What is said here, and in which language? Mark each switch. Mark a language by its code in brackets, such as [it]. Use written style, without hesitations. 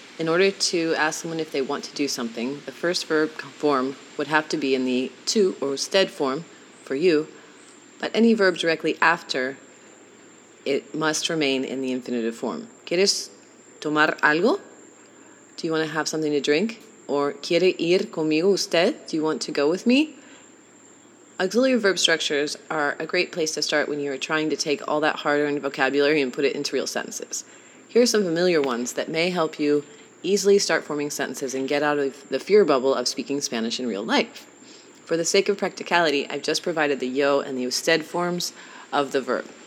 [en] In order to ask someone if they want to do something, the first verb form would have to be in the to or usted form for you, but any verb directly after it must remain in the infinitive form. [es] ¿Quieres tomar algo? [en] Do you want to have something to drink? [es] Or ¿quiere ir conmigo usted? [en] Do you want to go with me? Auxiliary verb structures are a great place to start when you are trying to take all that hard-earned vocabulary and put it into real sentences. Here are some familiar ones that may help you easily start forming sentences and get out of the fear bubble of speaking Spanish in real life. For the sake of practicality, I've just provided the yo and the usted forms of the verb.